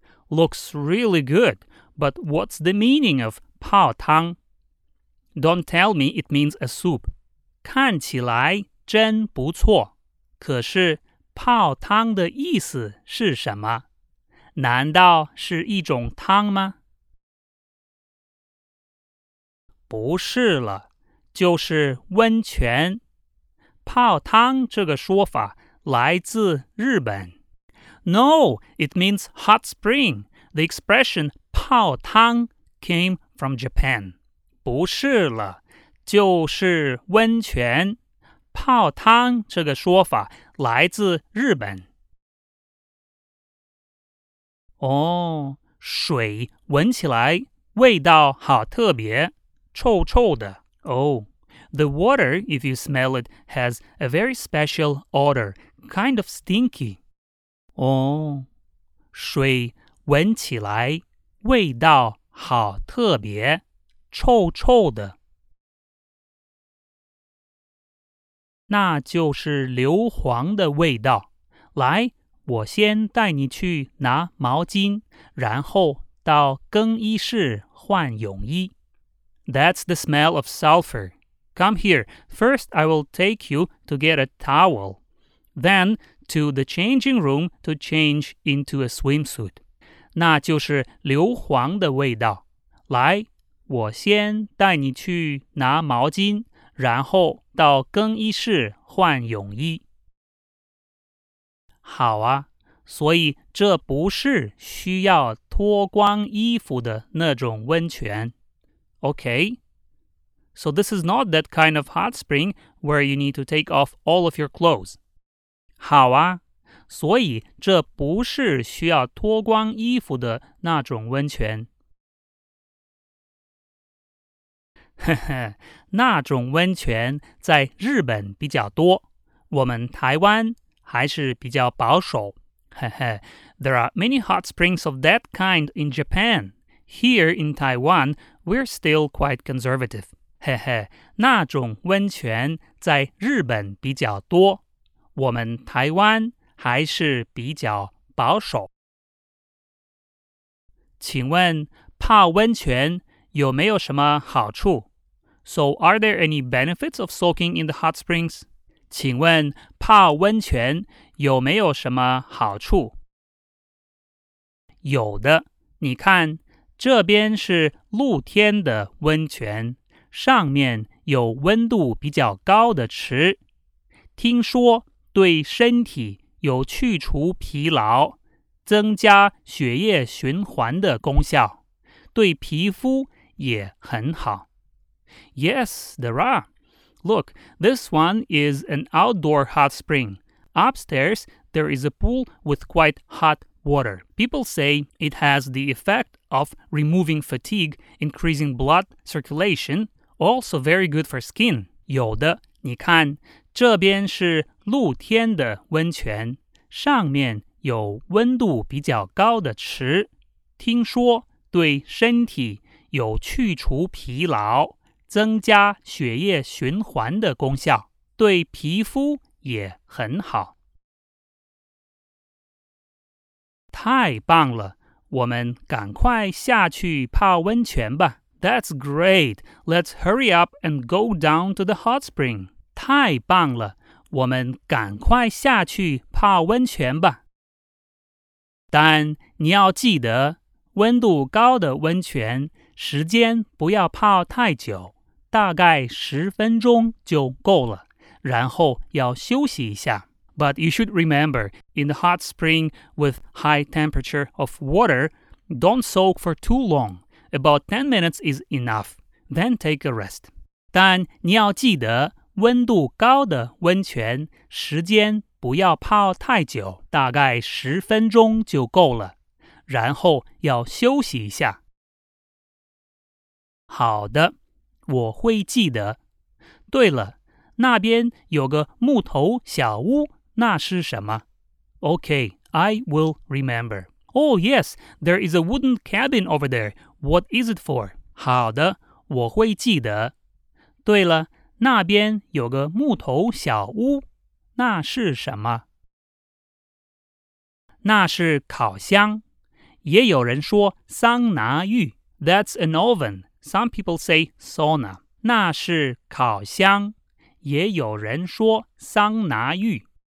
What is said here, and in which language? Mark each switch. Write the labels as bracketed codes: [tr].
[en] Looks really good, but what's the meaning of 泡汤？ Don't tell me it means a soup. [zh] 看起来真不错，可是泡汤的意思是什么？难道是一种汤吗？不是了，就是温泉。泡汤这个说法来自日本。 [en] No, it means hot spring. The expression 泡汤 came from Japan. [zh] 不是了，就是温泉。泡汤这个说法来自日本。哦，水闻起来味道好特别，臭臭的。 [en] Oh, the water, if you smell it, has a very special odor, kind of stinky. [zh] 哦，水闻起来味道好特别，臭臭的。那就是硫磺的味道。来，我先带你去拿毛巾，然后到更衣室换泳衣。 [en] That's the smell of sulfur. Come here. First, I will take you to get a towel. Then, to the changing room to change into a swimsuit. [zh] 那就是硫磺的味道。来，我先带你去拿毛巾，然后到更衣室换泳衣。好啊，所以这不是需要脱光衣服的那种温泉。 [en] Okay, so this is not that kind of hot spring where you need to take off all of your clothes. [zh] 好啊，所以这不是需要脱光衣服的那种温泉。呵呵，那种温泉在日本比较多，我们台湾还是比较保守。 [en] 呵呵，There are many hot springs of that kind in Japan. Here in Taiwan, we're still quite conservative. [zh] 呵呵，那种温泉在日本比较多，我们台湾还是比较保守。请问泡温泉有没有什么好处？ [en] So are there any benefits of soaking in the hot springs? [zh] 请问泡温泉有没有什么好处？有的，你看，这边是露天的温泉，上面有温度比较高的池。听说对身体有去除疲劳、增加血液循环的功效，对皮肤也很好。 [en] Yes, there are. Look, this one is an outdoor hot spring. Upstairs, there is a pool with quite hot water. People say it has the effect of removing fatigue, increasing blood circulation, also very good for skin. [zh] 有的，你看，这边是露天的温泉，上面有温度比较高的池，听说对身体有去除疲劳。增加血液循环的功效，对皮肤也很好。太棒了，我们赶快下去泡温泉吧。 [en] That's great. Let's hurry up and go down to the hot spring. [zh] 太棒了，我们赶快下去泡温泉吧。但你要记得，温度高的温泉，时间不要泡太久。大概十分钟就够了，然后要休息一下。 [en] But you should remember, in the hot spring with high temperature of water, don't soak for too long. About 10 minutes is enough. Then take a rest. [zh] 但你要记得，温度高的温泉，时间不要泡太久，大概十分钟就够了，然后要休息一下。好的。我会记得。对了，那边有个木头小屋，那是什么？ [en] Okay, I will remember. Oh yes, there is a wooden cabin over there. What is it for? [zh] 好的，我会记得。对了，那边有个木头小屋，那是什么？那是烤箱，也有人说桑拿浴。 [en] That's an oven. Some people say sauna. [zh] 那是烤箱，也有人说桑拿浴。